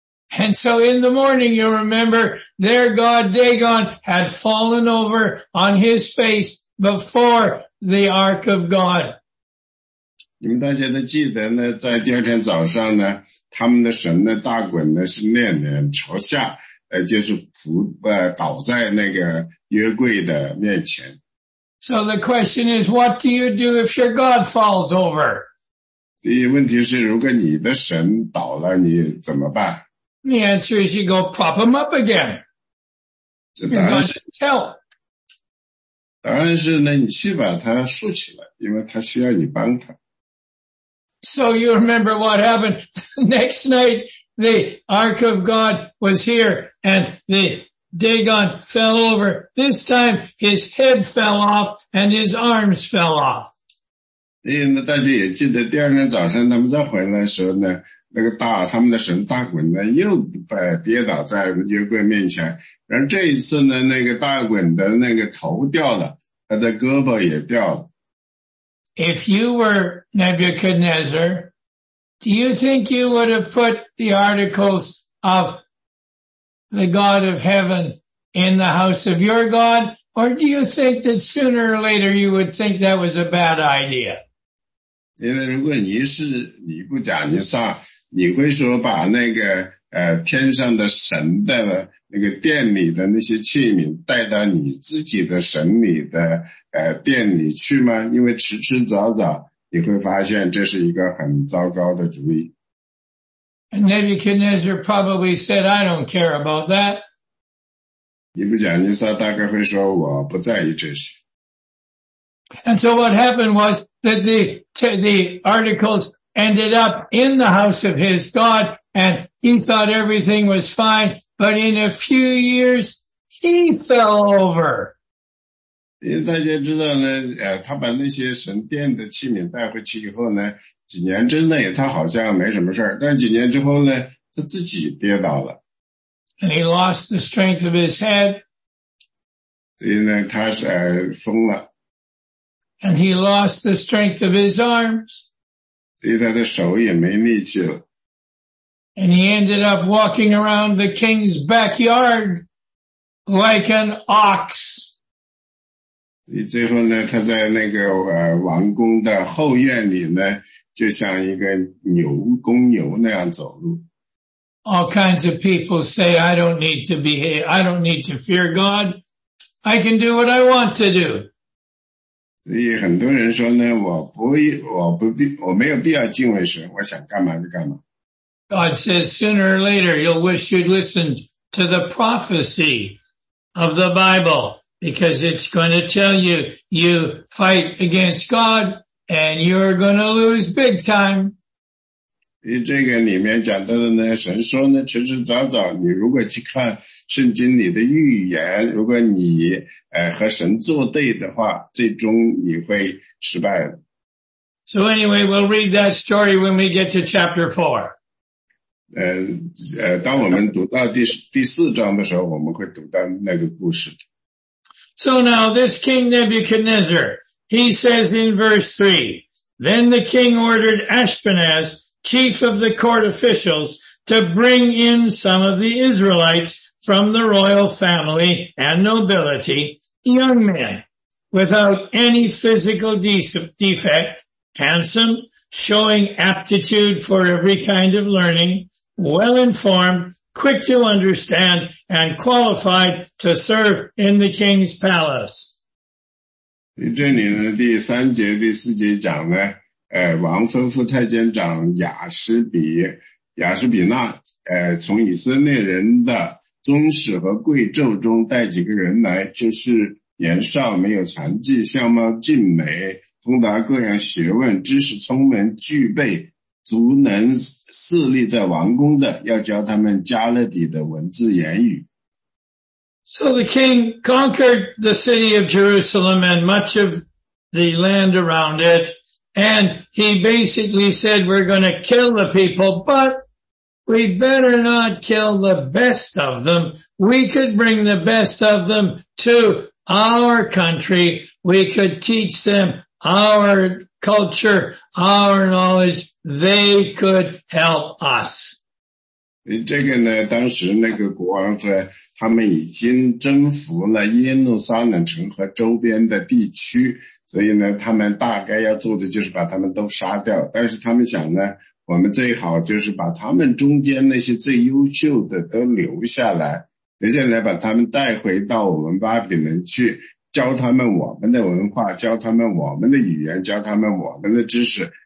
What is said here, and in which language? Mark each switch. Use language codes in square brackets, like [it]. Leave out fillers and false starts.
[en] And so in the morning, you remember, their god Dagon had fallen over on his face before the ark of God. [zh] 你们大家都记得呢，在第二天早上呢，他们的神呢大滚呢是面脸朝下。就是倒在那个约柜的面前。 [en] So the question is, what do you do if your God falls over? [zh] 第一问题是，如果你的神倒了，你怎么办？ [en] The answer is, you go prop him up again. Help. [zh] 答案是呢，你去把他竖起来，因为他需要你帮他。 [en] So you remember what happened next night? The Ark of God was here and the Dagon fell over. This time his head fell off and his arms fell off. [zh] 那大家也记得第二天早上他们再回来的时候呢，那个他们的神大滚呢又跌倒在约柜面前。然后这一次呢，那个大滚的那个头掉了，他的胳膊也掉了。 [en] If you were Nebuchadnezzar,Do you think you would have put the articles of the God of heaven in the house of your God? Or do you think that sooner or later you would think that was a bad idea? [zh] 因为如果你是尼布甲尼撒，你会说把那个天上的神的那个殿里的那些器皿带到你自己的神里的殿里去吗？因为迟迟早早你会发现这是一个很糟糕的主意。 [en] And Nebuchadnezzar probably said, I don't care about that. [zh] 尼布甲尼撒大概会说我不在意这些。 [en] And so what happened was that the articles ended up in the house of his God and he thought everything was fine, but in a few years he fell over. [zh] 因为大家知道呢，他把那些神殿的器皿带回去以后呢，几年之内他好像没什么事儿，但几年之后呢，他自己跌倒了。 [en] And he lost the strength of his head. [zh] 所以呢，他是疯了。 [en] And he lost the strength of his arms. [zh] 所以他的手也没力气了。 [en] And he ended up walking around the king's backyard. like an ox. [zh] 最后呢，他在那个王宫的后院里呢，就像一个牛公牛那样走路。 [en] All kinds of people say, I don't need to behave, I don't need to fear God. I can do what I want to do. [zh] 所以很多人说呢，我没有必要敬畏神，我想干嘛就干嘛。 [en] God says, sooner or later, you'll wish you'd listened to the prophecy of the Bible, because it's going to tell you, you fight against God, and you're going to lose big time. [zh] 这个里面讲到的呢，神说呢，迟迟早早，你如果去看圣经里的预言，如果你和神作对的话，最终你会失败的。 [en] So anyway, we'll read that story when we get to chapter 4. [zh] 当我们读到第四章的时候，我们会读到那个故事。 [en] So now this king Nebuchadnezzar, he says in verse 3, then the king ordered Ashpenaz, chief of the court officials, to bring in some of the Israelites from the royal family and nobility, young men, without any physical defect, handsome, showing aptitude for every kind of learning,well-informed, quick to understand, and qualified to serve in the king's palace. [zh] 这里呢，第三节、第四节讲呢，王吩咐太监长亚什比纳，从以色列人的宗室和贵胄中带几个人来，就是年少没有残疾，相貌俊美，通达各样学问，知识聪明，具备足能侍立在王宫的，要教他们加勒底的文字言语。 [en] So the king conquered the city of Jerusalem and much of the land around it, and he basically said, we're going to kill the people, but we better not kill the best of them. We could bring the best of them to our country. We could teach them our culture, our knowledge. They could help us. [zh] 这个呢，当时那个国王说，他们已经征服了耶路撒冷城和周边的地区，所以呢，他们大概要做的就是把他们都杀掉。但是他们想呢，我们最好就是把他们中间那些最优秀的都留下来，留下来把他们带回到我们巴比伦去，教他们我们的文化，教他们我们的语言，教他们我们的知识。